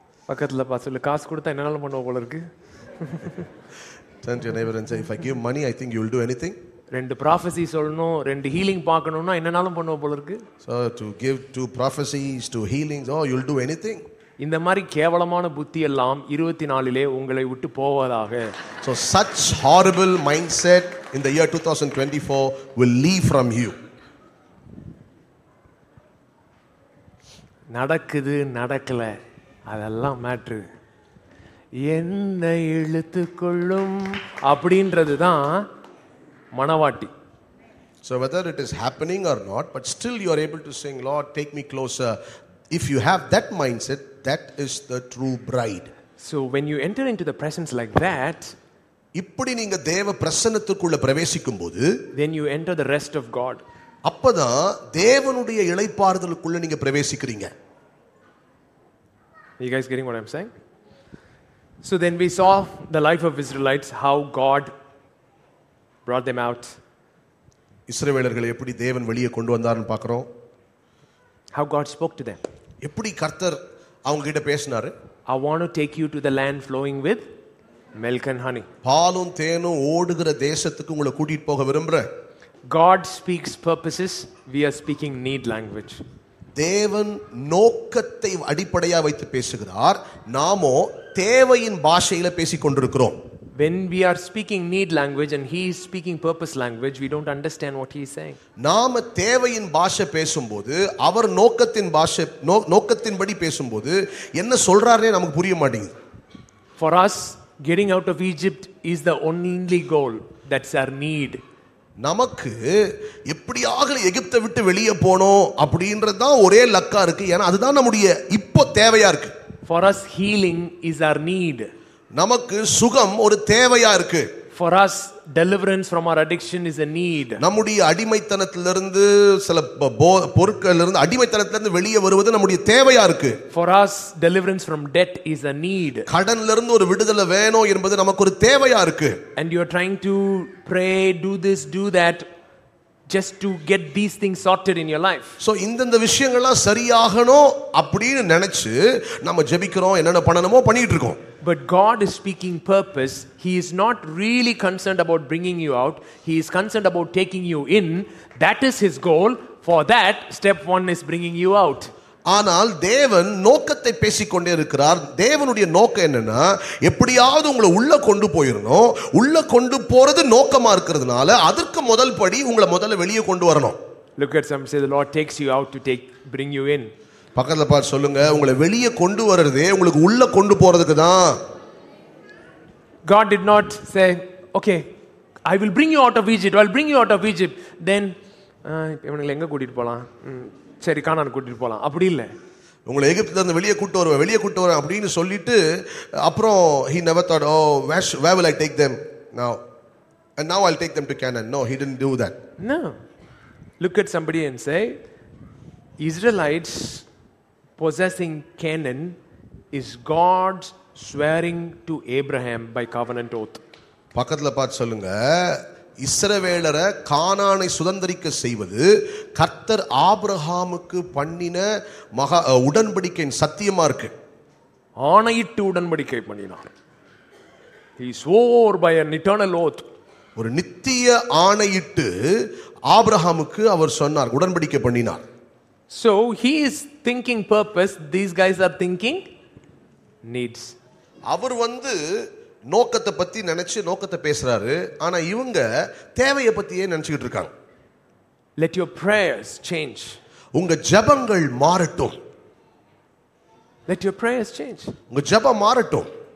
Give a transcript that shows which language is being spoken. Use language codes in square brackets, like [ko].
[ta] பக்கத்தில் பா சொல்லு, காசு கொடுத்தா என்னென்னாலும் பண்ணுவ போல இருக்கு. [en] Turn to your neighbor and say, if I give money, I think you will do anything. [ta] ரெண்டு ப்ராஃபஸி சொல்லணும், ரெண்டு ஹீலிங் பார்க்கணும்னா என்னென்னாலும் பண்ணுவ போல இருக்கு. [en] So to give two prophecies, two healings, oh, you'll do anything. [ta] இந்த மாதிரி கேவலமான புத்தி எல்லாம் 24-லே உங்களை விட்டு போவதாக. [en] So such horrible mindset in the year 2024 will leave from you. [ta] நடக்குது நடக்கல அதெல்லாம் மேட்ரு, என்ன இழுத்துக்கொள்ளும் அப்படின்றது தான் மனவாட்டி. [en] So whether it is happening or not, but still you are able to say, Lord, take me closer. If you have that mindset, that is the true bride. So when you enter into the presence like that, [ta] இப்படி நீங்க தேவ பிரசன்னத்துக்குள்ள பிரவேசிக்கும் போது, [en] then you enter the rest of God. [ta] அப்பதான் தேவனுடைய இளைப்பாறுதலுக்குள்ள நீங்க பிரவேசிக்கிறீங்க. [en] You guys getting what I'm saying? So then we saw the life of Israelites, how God brought them out. [ta] இஸ்ரவேலர்களை எப்படி தேவன் வெளியே கொண்டு வந்தார்னு பார்க்கறோம். [en] How God spoke to them. [ta] எப்படி கர்த்தர் அவங்க கிட்ட பேசினாரு. [en] I want to take you to the land flowing with milk and honey. [ta] பாலும் தேனும் ஓடுகிற தேசத்துக்கு உங்களை கூட்டிட்டு போக விரும்பறேன். [en] God speaks purposes, we are speaking need language. [ta] தேவன் நோக்கத்தை அடிப்படையாக வைத்து பேசுகிறார், நாமோ தேவையின் பாஷையில் பேசிக்கொண்டிருக்கிறோம். [en] When we are speaking need language and he is speaking purpose language, we don't understand what he is saying. [ta] நாம தேவையின் பாஷை பேசும்போது, அவர் நோக்கத்தின் பாஷை நோக்கத்தின்படி பேசும்போது என்ன சொல்றாருனே நமக்கு புரிய மாட்டேங்குது. [en] For us, getting out of Egypt is the only goal, that's our need. [ta] நமக்கு எப்படியாக எகிப்தை விட்டு வெளியே போனோம் அப்படின்றது தான் ஒரே லக்கா இருக்கு. ஏன்னா அதுதான் நம்முடைய இப்போ தேவையா இருக்கு. [en] For us, healing is our need. [ta] நமக்கு சுகம் ஒரு தேவையா இருக்கு. [en] For us, deliverance from our addiction is a need. [ta] நம்முடைய அடிமைத்தனத்திலிருந்து, சில பொருட்கள் இருந்து அடிமைத்தனத்திலிருந்து வெளியே வருவது நம்முடைய தேவையா இருக்கு. [en] For us, deliverance from debt is a need. [ta] கடன்ல இருந்து ஒரு விடுதலை வேணும் என்பது நமக்கு ஒரு தேவையா இருக்கு. [en] And you are trying to pray, do this, do that, just to get these things sorted in your life. [ta] So இந்த விஷயங்கள் எல்லாம் சரியாகணும் அப்படினு நினைச்சு நம்ம ஜெபிக்கிறோம், என்ன பண்ணணுமோ பண்ணிட்டு இருக்கோம். [en] But God is speaking purpose. He is not really concerned about bringing you out. He is concerned about taking you in. That is his goal. For that, step 1 is bringing you out. [ta] ஆனால் தேவன் நோக்கத்தை பேசிக்கொண்டே இருக்கிறார். தேவனுடைய நோக்கம் என்னன்னா, எப்படியாவது உங்களை உள்ள கொண்டு போயிடணும். உள்ள கொண்டு போறது நோக்கமா இருக்கிறதுனால அதற்கு முதல் படி உங்களை முதல்ல வெளியே கொண்டு வரணும். [en] Look at some, say the Lord takes you out to take, bring you in. [ta] பக்கத்துல பார் சொல்லுங்க, உங்களை வெளியே கொண்டு வர்றதே உங்களுக்கு உள்ள கொண்டு போறதுக்கு தான். [en] God did not say, okay, I will bring you out of Egypt, I'll bring you out of Egypt, then [ta] இவனுங்களை எங்க கூட்டிட்டு போலாம், சரி கானான் கூட்டிட்டு போலாம், அப்படி இல்லை. உங்களை எகிப்துல இருந்து வெளியே கூட்டு வருவேன், வெளியே கூட்டு வரேன் அப்படின்னு சொல்லிட்டு அப்புறம் [en] he never thought, oh, where will I take them now? And now I'll take them to Canaan. No, he didn't do that. No. Look at somebody and say, Israelites possessing Canaan is God swearing to Abraham by covenant oath. [ta] பக்கத்துல பார்த்து சொல்லுங்க, இஸ்ரவேலரை கானானை சுதந்திரிக்க செய்வது கர்த்தர் ஆபிரகாமுக்கு பண்ணின மகா உடன்படிக்கையின் சத்தியமா இருக்கு. ஆணையிட்டு உடன்படிக்கை பண்ணினார். [en] He swore by an eternal oath. [ta] ஒரு நித்திய ஆணையிட்டு ஆபிரகாமுக்கு அவர் சொன்னார், உடன்படிக்கை பண்ணினார். [en] So he is thinking purpose, these guys are thinking needs. [ta] அவர் வந்து நோக்கத்தை பத்தி நினைச்சு நோக்கத்தை பேசுறாரு, ஆனா இவங்க தேவையை பத்தியே நினைச்சுட்டு இருக்காங்க. [en] Let your prayers change. [ta] உங்க ஜெபங்கள் மாறட்டும். [en] Let your prayers change. [ta] உங்க ஜெபம் மாறட்டும்.